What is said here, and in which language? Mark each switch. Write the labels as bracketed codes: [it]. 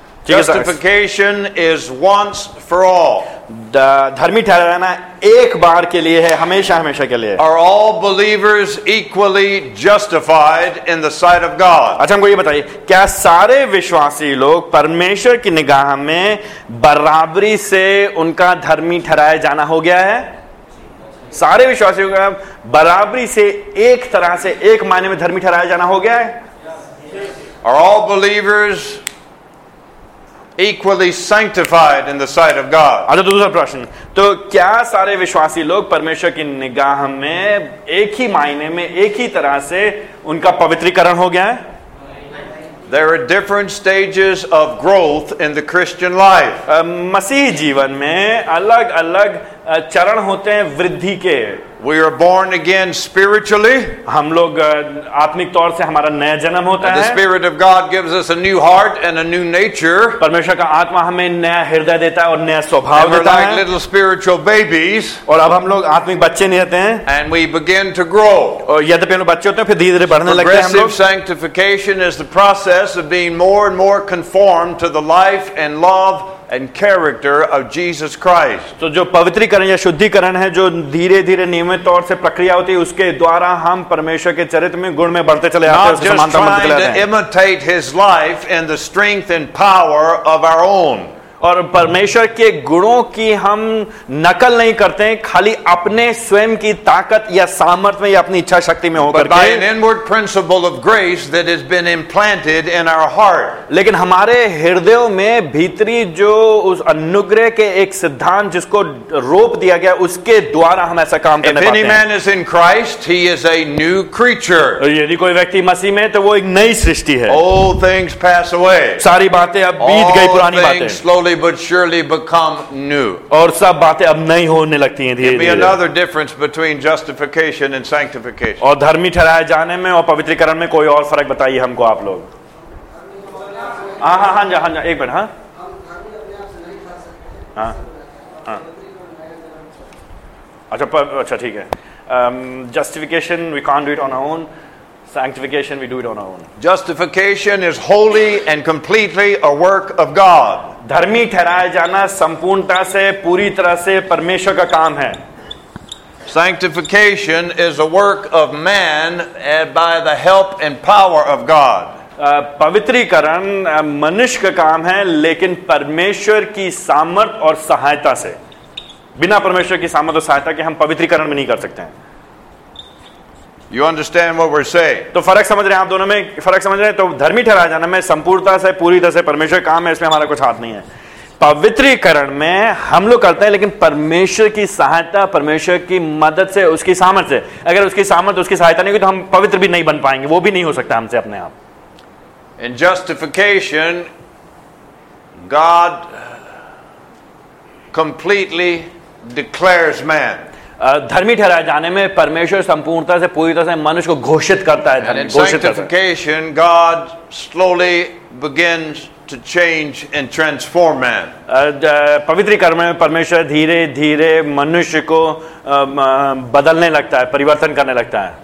[en] Justification is once for all. [hi] धर्मी ठहराना एक बार के लिए है, हमेशा हमेशा के लिए. [en] Are all believers equally justified in the sight of God? [hi] अच्छा, हमको ये बताइए, क्या सारे विश्वासी लोग परमेश्वर की निगाह में बराबरी से उनका धर्मी ठहराया जाना हो गया है? सारे विश्वासियों का बराबरी से एक तरह से एक मायने में धर्मी ठहराया जाना हो गया है? [en] Are all believers equally sanctified in the sight of God. [hi] अच्छा दूसरा प्रश्न, तो क्या सारे विश्वासी लोग परमेश्वर की निगाह में एक ही मायने में एक ही तरह से उनका पवित्रीकरण हो गया है? [en] There are different stages of growth in the Christian life. [hi] मसीह जीवन में अलग अलग चरण होते हैं वृद्धि के. [en] We are born again spiritually. [hi] हम लोग आत्मिक तौर से हमारा नया जन्म होता है. [en] The Spirit of God gives us a new heart and a new nature. [hi] परमेश्वर का आत्मा हमें नया हृदय देता है और नया स्वभाव देता है. [en] We're like little spiritual babies. [hi] और अब हम लोग आत्मिक बच्चे नहीं होते हैं. [en] And we begin to grow. [hi] और यद्यपि हम बच्चे होते हैं, फिर धीरे-धीरे बढ़ने लगते हैं हम लोग. [en] Progressive sanctification is the process of being more and more conformed to the life and love and character of Jesus Christ. [hi] तो जो पवित्रीकरण या शुद्धिकरण है, जो धीरे-धीरे नियमित तौर से प्रक्रिया होती है, उसके द्वारा हम परमेश्वर के चरित्र में गुण में बढ़ते चले जाते हैं, उसके समानता में चले जाते हैं. [en] Not just trying to imitate His life and the strength and power of our own. [hi] और परमेश्वर के गुणों की हम नकल नहीं करते हैं, खाली अपने स्वयं की ताकत या सामर्थ्य में या अपनी इच्छा शक्ति में होकर के. [en] But by an inward principle of grace that has been implanted in our heart. [hi] लेकिन हमारे हृदयों में भीतरी जो उस अनुग्रह के एक सिद्धांत जिसको रोप दिया गया, उसके द्वारा हम ऐसा काम करने पाते हैं. [en] If any man is in Christ, he is a new creature. [hi] यदि कोई व्यक्ति मसीह में है, तो वो एक नई सृष्टि है. [en] All things pass away. [hi] सारी बातें अब बीत गई, पुरानी बातें. [en] Slowly but surely become new. [hi] और सब बातें अब नई होने लगती हैं धीरे-धीरे. [en] There be another difference between justification and sanctification. [hi] और धर्मी ठहराए जाने में और पवित्रीकरण में कोई और फर्क बताइए हमको आप लोग. हाँ हाँ जा, हाँ जा, एक मिनट. हाँ अच्छा अच्छा ठीक है. [en] Justification we can't do it on our own. Sanctification we do it on our own. Justification is wholly and completely a work of God. [hi] धर्मी ठहराए जाना संपूर्णता से पूरी तरह से परमेश्वर का काम है. [en] Sanctification is a work of man by the help and power of God. [hi] पवित्रीकरण मनुष्य का काम है, लेकिन परमेश्वर की सामर्थ और सहायता से. बिना परमेश्वर की सामर्थ और सहायता के हम पवित्रीकरण भी नहीं कर सकते हैं. [en] You understand what we're saying? [hi] तो फर्क समझ रहे हैं आप दोनों में? फर्क समझ रहे हैं? तो धर्मी ठहराए जाना में संपूर्णता से पूरी तरह से परमेश्वर काम है, इसमें हमारा कुछ हाथ नहीं है. पवित्रीकरण में हम लोग करते हैं, लेकिन परमेश्वर की सहायता, परमेश्वर की मदद से, उसकी सामर्थ से. अगर उसकी सामर्थ उसकी सहायता नहीं हुई, तो हम पवित्र भी नहीं बन पाएंगे, वो भी नहीं हो सकता हमसे अपने आप. [en] In justification, God completely declares man. [hi] धर्मी ठहराए जाने में परमेश्वर संपूर्णता से पूरी तरह से मनुष्य को घोषित करता है. [en] Sanctification, God slowly begins to change and transform man. [hi] पवित्रीकरण में परमेश्वर धीरे धीरे मनुष्य को बदलने लगता है, परिवर्तन करने लगता है.